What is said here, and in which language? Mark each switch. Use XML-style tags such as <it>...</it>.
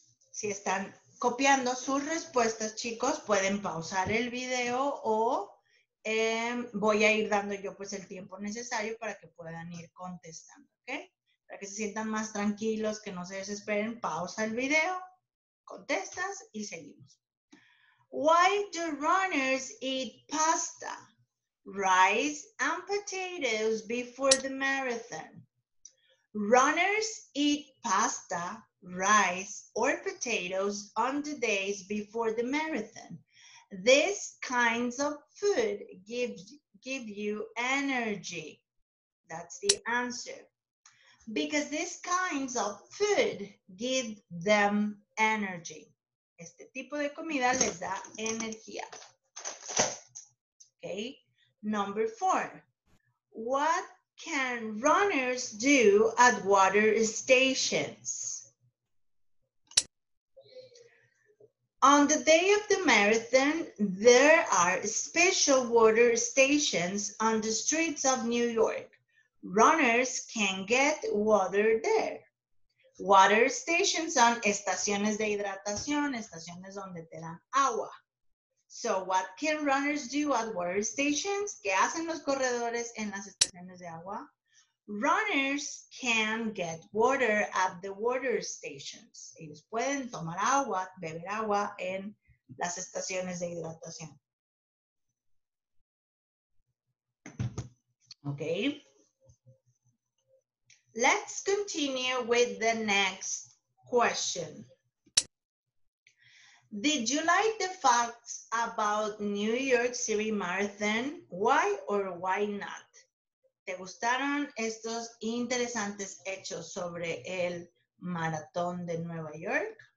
<es>Si están copiando sus respuestas, chicos, pueden pausar el video o voy a ir dando yo pues el tiempo necesario para que puedan ir contestando, ¿ok? Para que se sientan más tranquilos, que no se desesperen, pausa el video, contestas y seguimos.</es> <en>Why do runners eat pasta, rice and potatoes before the marathon? Runners eat pasta, rice or potatoes on the days before the marathon. These kinds of food give you energy. That's the answer. Because these kinds of food give them energy.</en> <es>Este tipo de comida les da energía. Okay.</es> <en>Number four. What can runners do at water stations? On the day of the marathon, there are special water stations on the streets of New York. Runners can get water there. Water stations</en> <es>son estaciones de hidratación, estaciones donde te dan agua.</es> <en>So what can runners do at water stations?</en> <es>¿Qué hacen los corredores en las estaciones de agua?</es> <en>Runners can get water at the water stations.</en> <es>Ellos pueden tomar agua, beber agua en las estaciones de hidratación.</es> <en>Okay. Let's continue with the next question. Did you like the facts about New York City Marathon? Why or why not?</en> <es>¿Te gustaron estos interesantes hechos sobre el maratón de Nueva York?</es>